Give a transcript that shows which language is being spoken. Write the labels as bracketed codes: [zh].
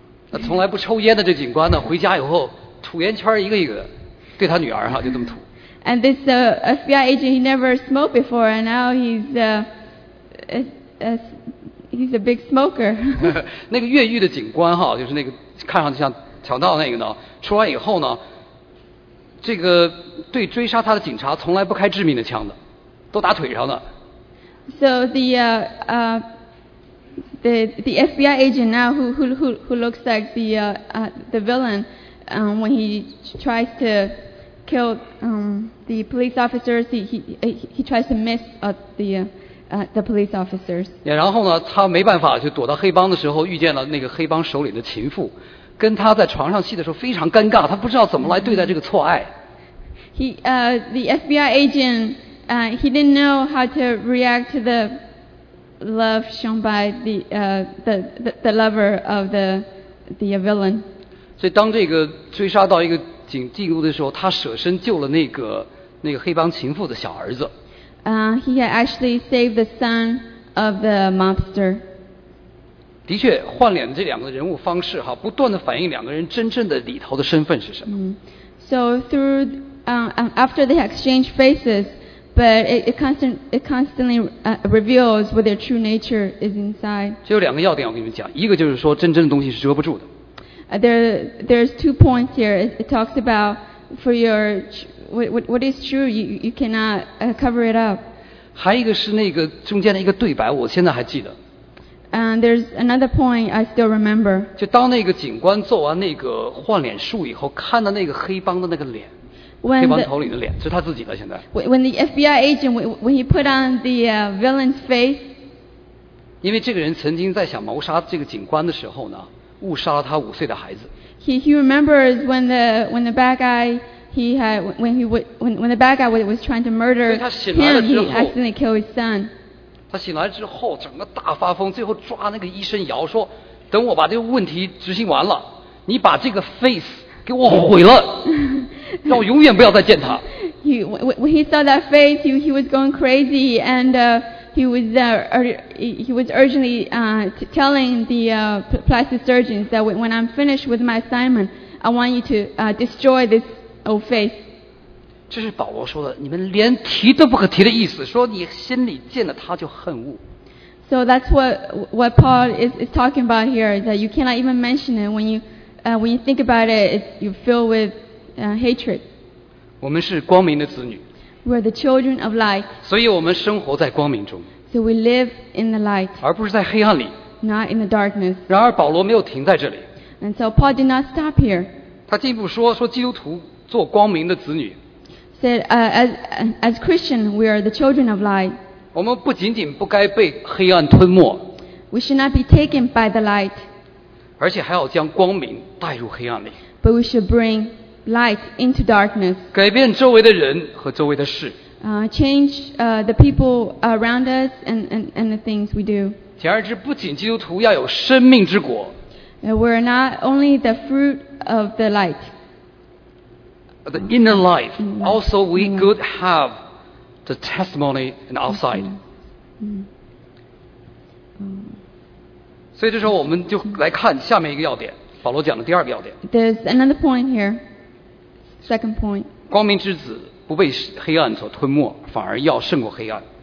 [zh] 那从来不抽烟的这警官呢，回家以后吐烟圈一个一个，对他女儿哈、啊、就这么吐。 [en] And this FBI agent he never smoked before, and now he's a big smoker. [zh] 那个越狱的警官哈、啊，就是那个看上去像强盗那个呢，出来以后呢，这个对追杀他的警察从来不开致命的枪的。都打腿上了。 [en] So the FBI agent now who looks like the villain when he tries to kill the police officers he tries to miss the police officers. [zh] 然后呢，他没办法就躲到黑帮的时候遇见了那个黑帮首领的情妇，跟他在床上戏的时候非常尴尬，他不知道怎么来对待这个错爱。 [en] The FBI agent. He didn't know how to react to the love shown by the lover of the villain. [zh] 所以当这个追杀到一个警进屋的时候，他舍身救了那个黑帮情妇的小儿子。 [en] He had actually saved the son of the mobster. [zh] 的确，换脸这两个人物方式哈，不断的反映两个人真正的里头的身份是什么。 [en] So through after they exchanged faces. But it constantly reveals what their true nature is inside. [zh] 这有两个要点，我跟你们讲。一个就是说，真正的东西是遮不住的。 [en] There's two points here. It talks about for your what is true, you cannot cover it up. [zh] 还有一个是那个中间的一个对白，我现在还记得。 [en] And there's another point I still remember. [zh] 就当那个警官做完那个换脸术以后，看到那个黑帮的那个脸。 [en] When the FBI agent when he put on the villain's face, [zh] 因为这个人曾经在想谋杀这个警官的时候呢，误杀了他五岁的孩子。 [en] He remembers when the bad guy when the bad guy was trying to murder him, he accidentally killed his son. [zh] 他醒来之后，整个大发疯，最后抓那个医生摇说：“等我把这个问题执行完了，你把这个 face。” 给我毁了，让我永远不要再见他。 [en] When he saw that face, he was going crazy, and he was urgently telling the plastic surgeons that when I'm finished with my assignment, I want you to destroy this old face. [zh] 这是保罗说的，你们连提都不可提的意思，说你心里见了他就恨恶。 [en] So that's what Paul is talking about here, that you cannot even mention it when you think about it, you feel with hatred. [zh] 我们是光明的子女。 [en] We're the children of light. [zh] 所以我们生活在光明中。 [en] So we live in the light. [zh] 而不是在黑暗里。 [en] Not in the darkness. [zh] 然而保罗没有停在这里。 [en] And so Paul did not stop here. [zh] 他进一步说基督徒做光明的子女。 [en] Said as Christian, we are the children of light. [zh] 我们不仅仅不该被黑暗吞没。 [en] We should not be taken by the light. [zh] 而且还要将光明带入黑暗里。 [en] But we should bring light into darkness. [zh] 改变周围的人和周围的事。 [en] Change the people around us and the things we do. [zh] 简而言之，不仅基督徒要有生命之果。 [en] We're not only the fruit of the light. The inner life. Also, we could have the testimony and outside. [zh] 所以这时候我们就来看下面一个要点，保罗讲的第二个要点。 [en] There's another point here, second point. [zh] 光明之子不被黑暗所吞没，反而要胜过黑暗。